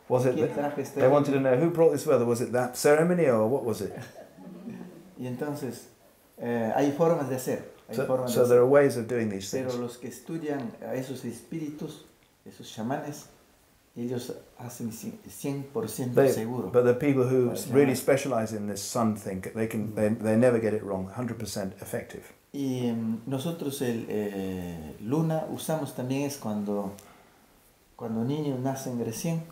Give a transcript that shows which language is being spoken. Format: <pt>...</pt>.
<en>was it they wanted to know who brought this weather? Was it that ceremony or what was it?</en> <es>Y entonces, hay formas de hacer.</es> <en>So there are ways of doing these things.</en> <es>Pero los que estudian esos espíritus, esos chamanes, ellos hacen 100% seguro.</es> <en>But the people who really specialize in this sun thing, they can, they never get it wrong. 100% effective.</en> <es>Y nosotros el luna usamos también es cuando niños nacen recién.</es>